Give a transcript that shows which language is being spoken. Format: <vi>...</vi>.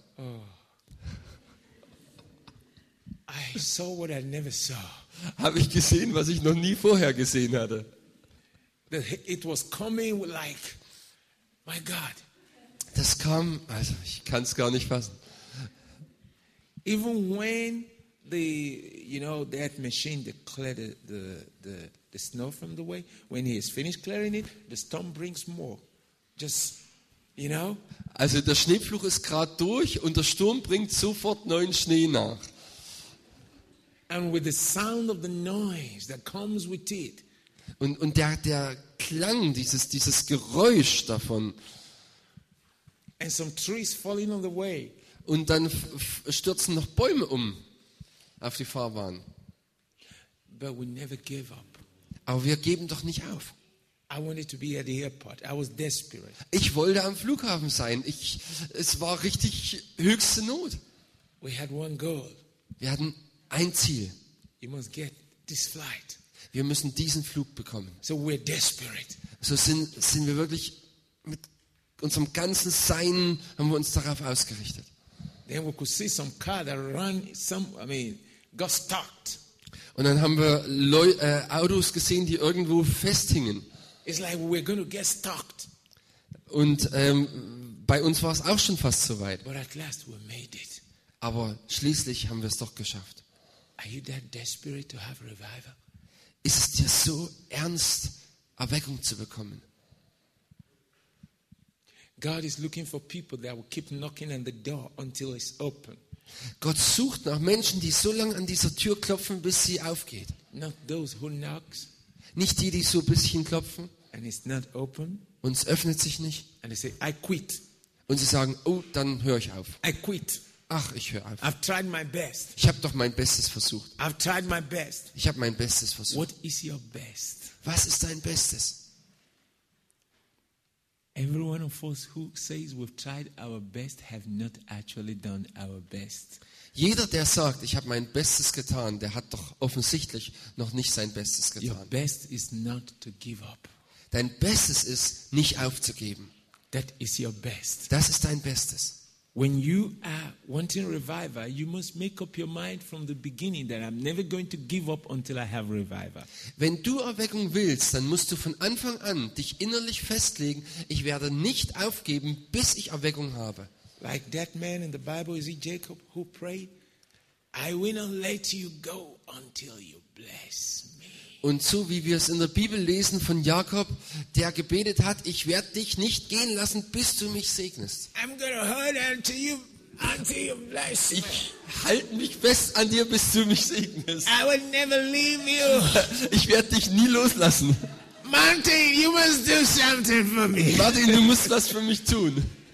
<en>Oh, I saw what I never saw.</en> <de>Habe ich gesehen, was ich noch nie vorher gesehen hatte.</de> <en>That it was coming like, my God.</en> <de>Das kam, also ich kann es gar nicht fassen.</de> <en>Even when the, you know, that machine that cleared the snow from the way, when he is finished clearing it, the storm brings more. Just, you know.</en> <de>Also der Schneepflug ist gerade durch und der Sturm bringt sofort neuen Schnee nach.</de> <en>And with the sound of the noise that comes with it.</en> <de>Und der Klang, dieses Geräusch davon.</de> <en>And some trees falling on the way.</en> <de>Und dann stürzen noch Bäume um auf die Fahrbahn.</de> <en>But we never give up.</en> <de>Aber wir geben doch nicht auf.</de> <en>I wanted to be at the airport. I was desperate.</en> <de>Ich wollte am Flughafen sein. Es war richtig höchste Not.</de> <en>We had one goal.</en> <de>Wir hatten ein Ziel.</de> <en>You must get this flight.</en> <de>Wir müssen diesen Flug bekommen.</de> <en>So we're desperate.</en> <de>So sind wir wirklich mit unserem ganzen Sein haben wir uns darauf ausgerichtet.</de> <en>Then we could see some car that ran got stuck.</en> <de>Und dann haben wir Autos gesehen, die irgendwo festhingen.</de> <en>It's like we're going to get stuck.</en> <de>Und bei uns war es auch schon fast so weit.</de> <en>But at last we made it.</en> <de>Aber schließlich haben wir es doch geschafft.</de> <en>Are you that desperate to have a revival?</en> <de>Ist es dir so ernst, Erweckung zu bekommen?</de> <en>God is looking for people that will keep knocking on the door until it's open.</en> <de>Gott sucht nach Menschen, die so lange an dieser Tür klopfen, bis sie aufgeht.</de> <en>Not those who knocks.</en> <de>Nicht die, die so ein bisschen klopfen.</de> <en>And it's not open.</en> <de>Und es öffnet sich nicht.</de> <en>And they say, I quit.</en> <de>Und sie sagen, oh, dann höre ich auf.</de> <en>I quit.</en> <de>Ach, ich höre auf.</de> <en>I've tried my best.</en> <de>Ich habe doch mein Bestes versucht.</de> <en>I've tried my best.</en> <de>Ich habe mein Bestes versucht.</de> <en>What is your best?</en> <de>Was ist dein Bestes?</de> <en>Everyone of us who says we've tried our best have not actually done our best.</en> <de>Jeder, der sagt, ich habe mein Bestes getan, der hat doch offensichtlich noch nicht sein Bestes getan.</de> <en>Your best is not to give up.</en> <de>Dein Bestes ist nicht aufzugeben.</de> <en>That is your best.</en> <de>Das ist dein Bestes.</de> <en>When you are wanting revival, you must make up your mind from the beginning that I'm never going to give up until I have revival.</en> <de>Wenn du Erweckung willst, dann musst du von Anfang an dich innerlich festlegen, ich werde nicht aufgeben, bis ich Erweckung habe.</de> <en>Like that man in the Bible, is he Jacob, who prayed, I will not let you go until you bless me.</en> <de>Und so wie wir es in der Bibel lesen von Jakob, der gebetet hat, ich werde dich nicht gehen lassen, bis du mich segnest.</de> <en>I'm gonna hold on to you until you bless me.</en> <de>Ich halte mich fest an dir, bis du mich segnest.</de> <en>I will never leave you.</en> <de>Ich werde dich nie loslassen.</de> <en>Martin, you must do something for me.</en> <de>Martin, du musst was für mich tun.</de>